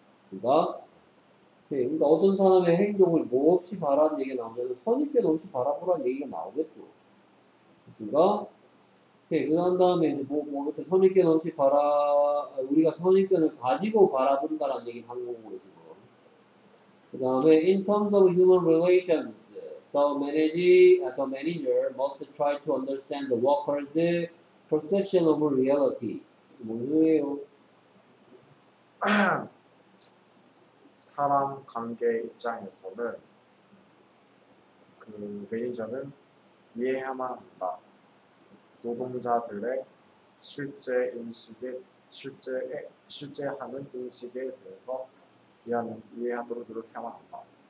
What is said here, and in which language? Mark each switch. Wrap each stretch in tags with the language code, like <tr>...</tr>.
<ko>그러니까, 그러니까 어떤 사람의 행동을 뭐 없이 바라는 얘기가 나오면 선입견 없이 바라보라는 얘기가 나오겠죠. 그렇습니까? 네, 그런 다음에 이제 뭐 선입견 없이 바라, 우리가 선입견을 가지고 바라본다라는 얘기 한국어로 지금. 그 다음에</ko> <en>in terms of human relations, the manager must try to understand the worker's perception of reality.</en> <ko>뭐예요? 사람 관계 입장에서는 그 매니저는 이해해야만 한다. 노동자들의 실제 인식에, 실제 하는 인식에 대해서 이해하도록 노력해야만 한다.</ko>